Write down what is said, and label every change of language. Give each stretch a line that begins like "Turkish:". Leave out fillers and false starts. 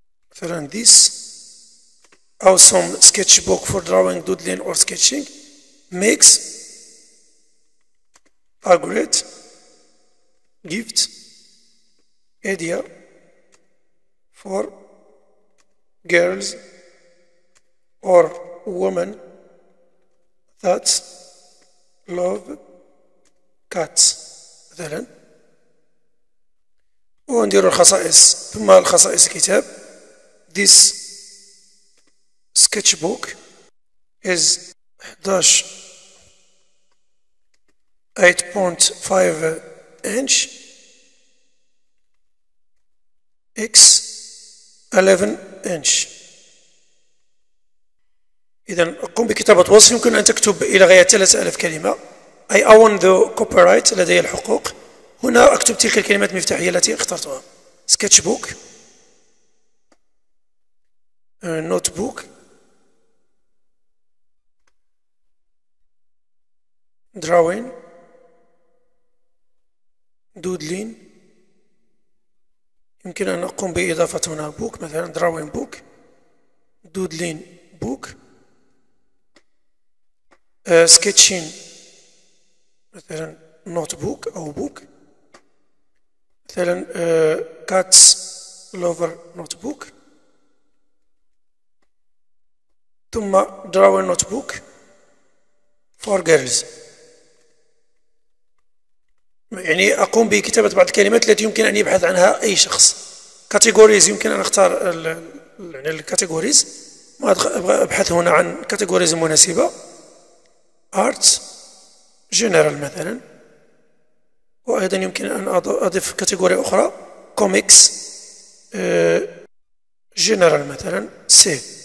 English: مثلاً this أو some sketchbook for drawing, doodling or sketching makes a great gift idea for girls or women that love cats.
Arabic: مثلاً ونديروا الخصائص ثم الخصائص الكتاب.
English: This sketchbook is 8.5 inch x 11 inch.
Arabic: إذن قم بكتابة وصف يمكن أن تكتب إلى غاية 3000 كلمة.
English: I own the copyright,
Arabic: لدي الحقوق. هنا أكتب تلك الكلمات المفتاحية التي اخترتها.
English: Sketchbook, notebook, drawing, doodling.
Arabic: يمكن أن أقوم بإضافة هنا book, مثلا
English: drawing book, doodling book, sketching,
Arabic: مثلا notebook أو book.
English: مثلا cats lover notebook, ثم drawing notebook for girls.
Arabic: يعني أقوم بكتابة بعض الكلمات التي يمكن أن يبحث عنها أي شخص. categories, يمكن أن أختار يعني categories. ما أبغى أبحث هنا عن categories مناسبة. arts general مثلا, وأيضا يمكن أن أضيف كاتيجوري أخرى كوميكس جنرال مثلا سي.